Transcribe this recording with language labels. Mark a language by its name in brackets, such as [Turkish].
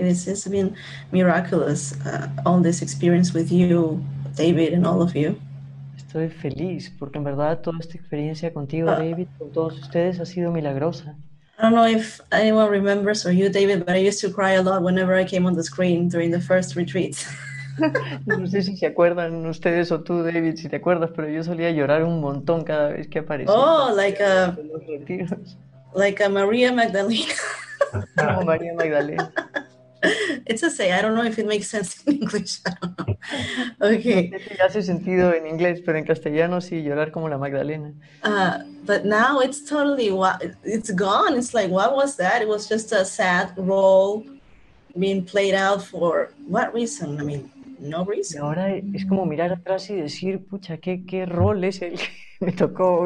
[English] This has been miraculous, all this experience with you, David, and all of you. [Spanish] Estoy feliz porque en verdad toda esta experiencia contigo, David, con todos ustedes ha sido milagrosa. [English] I don't know if anyone remembers or you, David, but I used to cry a lot whenever I came on the screen during the first retreat. [Spanish] No sé si se acuerdan ustedes o tú, David, si te acuerdas, pero yo solía llorar un montón cada vez que aparecía. [English] Oh, like a Maria Magdalena. [Spanish] Como María Magdalena. [English] It's a say. I don't know if it makes sense in English. I don't know. Okay. [Spanish] Sí, hace sentido en inglés, pero en castellano sí, llorar como la Magdalena. [English] But now it's totally, it's gone. It's like, what was that? It was just a sad role being played out for what reason? I mean, no reason. [Spanish] Y ahora es como mirar atrás y decir, pucha, ¿qué rol es el que me tocó?